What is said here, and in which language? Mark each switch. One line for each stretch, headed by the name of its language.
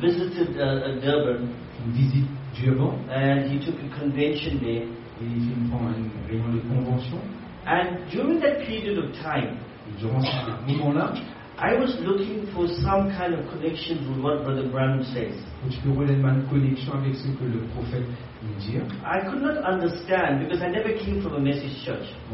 English: visited Durban.
French: Une visite Durban.
English: And he took a convention there.
French: Et il fit une réunion de convention.
English: And during that period of time,
French: durant ce moment-là,
English: I was looking for some kind of connection with what Brother Branham says.
French: Je voulais une connexion avec ce que le prophète.
English: I could not understand because I never came from a message church.